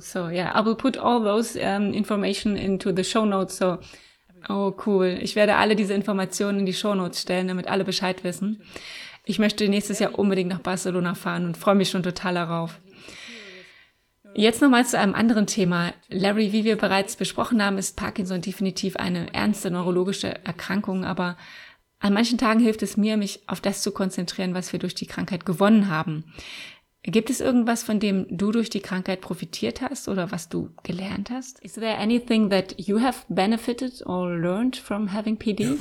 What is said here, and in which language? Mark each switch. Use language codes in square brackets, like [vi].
[en] So yeah, I will put all those information into the show notes. So, oh cool. [de] Ich werde alle diese Informationen in die Show Notes stellen, damit alle Bescheid wissen. Ich möchte nächstes Jahr unbedingt nach Barcelona fahren und freue mich schon total darauf. Jetzt nochmal zu einem anderen Thema. Larry, wie wir bereits besprochen haben, ist Parkinson definitiv eine ernste neurologische Erkrankung, aber An manchen Tagen hilft es mir, mich auf das zu konzentrieren, was wir durch die Krankheit gewonnen haben. Gibt es irgendwas, von dem du durch die Krankheit profitiert hast oder was du gelernt hast? [en] Is there anything that you have benefited or learned from having PD?